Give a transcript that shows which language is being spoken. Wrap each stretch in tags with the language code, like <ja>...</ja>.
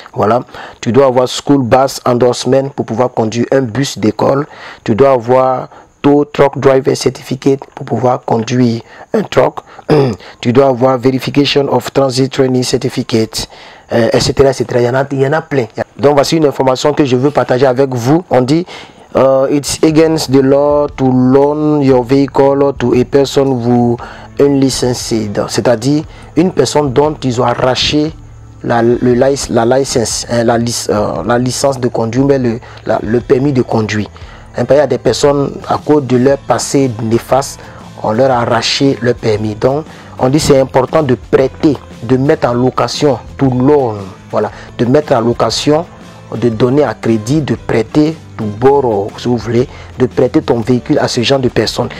<fr>Voilà, tu dois avoir school bus endorsement pour pouvoir conduire un bus d'école. Tu dois avoir tow truck driver certificate pour pouvoir conduire un truck. Tu dois avoir verification of transit training certificate, etc. etc. Il y en a plein. Donc voici une information que je veux partager avec vous. On dit</fr> <en>it's against the law to loan your vehicle to a person who unlicensed.</en> <fr>C'est-à-dire une personne dont ils ont arraché la licence de conduire, mais le permis de conduire. Il y a des personnes, à cause de leur passé néfaste, on leur a arraché leur permis. Donc, on dit que c'est important de prêter, de mettre en location, tout loan, voilà, de mettre en location, de donner à crédit, de prêter,</fr> <en>to borrow,</en> <fr>si vous voulez, de prêter ton véhicule à ce genre de personnes.</fr>